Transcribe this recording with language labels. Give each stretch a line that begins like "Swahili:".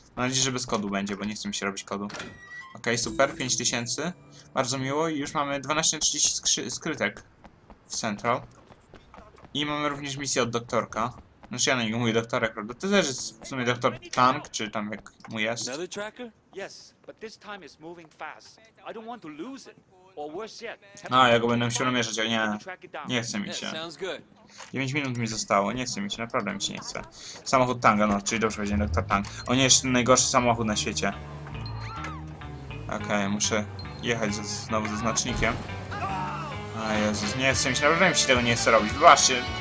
Polish: Mam nadzieję, że bez kodu będzie, bo nie chcę mi się robić kodu. Okej, super, 5000. Bardzo miło i już mamy 12.30 skrytek w Central. I mamy również misję od doktorka. Znaczy ja na niego mówię doktorek, prawda? To też jest w sumie doktor Tank, czy tam jak mu jest.
English: Another tracker? Yes, but this time it's moving fast. I don't want to lose it. Or worse yet.
Polish: A, ja go będę musiał namierzać, a nie chce mi się. 9 minut mi zostało, nie chce mi się, naprawdę mi się nie chce. Samochód Tanga, no, czyli dobrze powiedziałem, doktor Tank. On jest ten najgorszy samochód na świecie. Okej, muszę jechać znowu ze znacznikiem. A Jezus, nie chce mi się, naprawdę mi się tego nie chce robić. Właśnie.